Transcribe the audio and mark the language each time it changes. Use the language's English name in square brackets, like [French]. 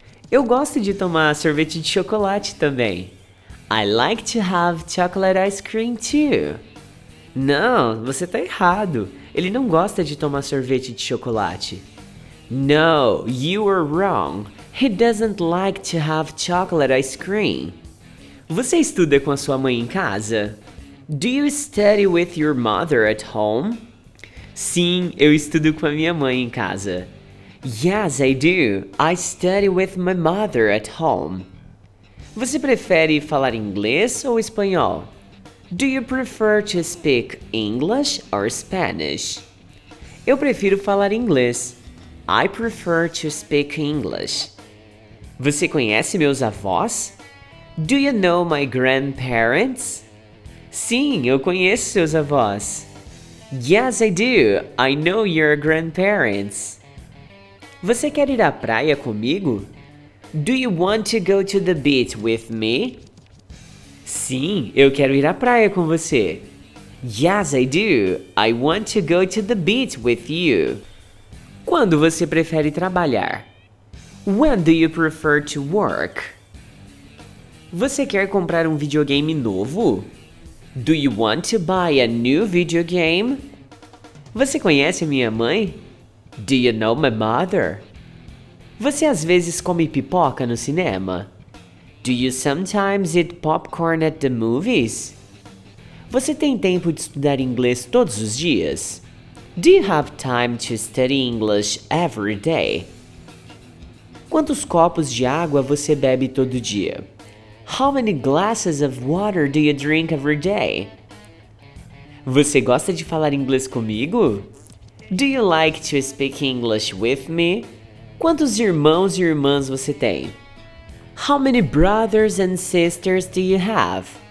[Portuguese] Eu gosto de tomar sorvete de chocolate também. [English] I like to have chocolate ice cream too. [Portuguese] Não, você tá errado. Ele não gosta de tomar sorvete de chocolate. [English] No, you are wrong. He doesn't like to have chocolate ice cream. [Portuguese] Você estuda com a sua mãe em casa? [English] Do you study with your mother at home? [Portuguese] Sim, eu estudo com a minha mãe em casa. [English] Yes, I do. I study with my mother at home. [Portuguese] Você prefere falar inglês ou espanhol? [English] Do you prefer to speak English or Spanish? [Portuguese] Eu prefiro falar inglês. [English] I prefer to speak English. [Portuguese] Você conhece meus avós? [English] Do you know my grandparents? [Portuguese] Sim, eu conheço seus avós. [English] Yes, I do. I know your grandparents. [Portuguese] Você quer ir à praia comigo? [English] Do you want to go to the beach with me? [Portuguese] Sim, eu quero ir à praia com você. [English] Yes, I do. I want to go to the beach with you. [Portuguese] Quando você prefere trabalhar? [English] When do you prefer to work? [Portuguese] Você quer comprar um videogame novo? [English] Do you want to buy a new video game? [Portuguese] Você conhece minha mãe? [English] Do you know my mother? [Portuguese] Você às vezes come pipoca no cinema? [English] Do you sometimes eat popcorn at the movies? [Portuguese] Você tem tempo de estudar inglês todos os dias? [English] Do you have time to study English every day? [Portuguese] Quantos copos de água você bebe todo dia? [English] How many glasses of water do you drink every day? [Portuguese] Você gosta de falar inglês comigo? [English] Do you like to speak English with me? [Portuguese] Quantos irmãos e irmãs você tem? [English] How many brothers and sisters do you have?